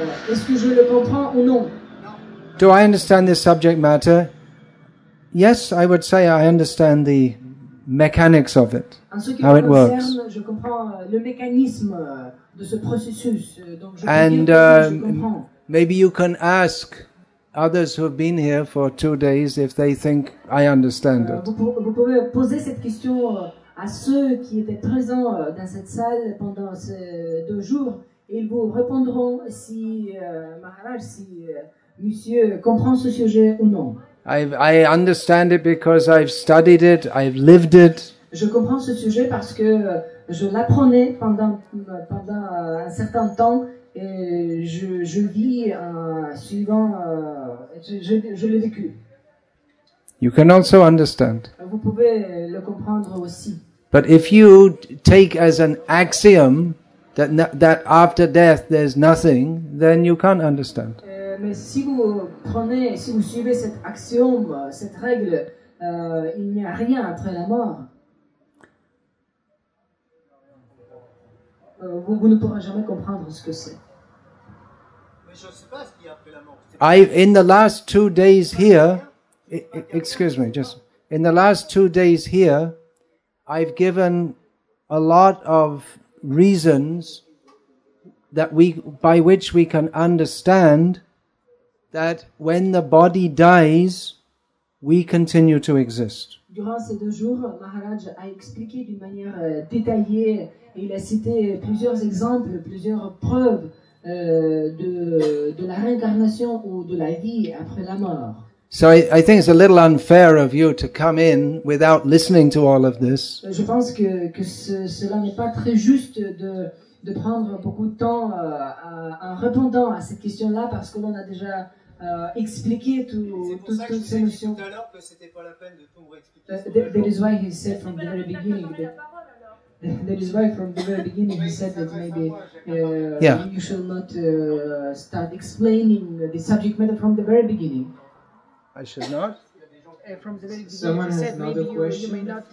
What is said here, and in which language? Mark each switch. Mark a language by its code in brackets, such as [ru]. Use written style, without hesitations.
[fr] Est-ce que je le comprends ou non? [en] Do I understand this subject matter? Yes, I would say I understand the mechanics of it, how it works. [fr] Je comprends le mécanisme de ce processus. [en] And maybe you can ask others who have been here for 2 days if they think I understand it. [fr] Vous pouvez poser cette question à ceux qui étaient présents dans cette salle pendant ces 2 jours. Ils vous répondront si Maharaj, si Monsieur comprend ce sujet ou non. [en] I understand it because I've studied it, I've lived it. [fr] Je comprends ce sujet parce que je l'apprenais pendant un certain temps et je vis suivant je l'ai vécu. [en] You can also understand. [fr] Vous pouvez le comprendre aussi. [en] But if you take as an axiom that after death there's nothing, then you can't understand. [fr] Mais si vous prenez, si vous suivez cet axiome, cette règle, il n'y a rien après la mort. Vous ne pourrez jamais comprendre ce que c'est. Mais je ne sais pas ce qu'il y a après la mort. [en] In the last 2 days here, excuse me, just in the last 2 days here, I've given a lot of reasons by which we can understand that when the body dies, we continue to exist. [fr] Durant ces 2 jours, Maharaj a expliqué d'une manière détaillée, et il a cité plusieurs exemples, plusieurs preuves de la réincarnation ou de la vie après la mort. [en] So I think it's a little unfair of you to come in without listening to all of this. [fr] Je pense que cela n'est pas très juste de prendre beaucoup de temps en répondant à cette question-là parce que l'on a déjà expliqué toutes ces notions. Tout à l'heure que c'était pas la peine de tout réexpliquer. [en] That is why he said from the very beginning. That is why from the very beginning he said that maybe you should not start explaining the subject matter from the very beginning. I should not. From the very beginning, someone said has another question.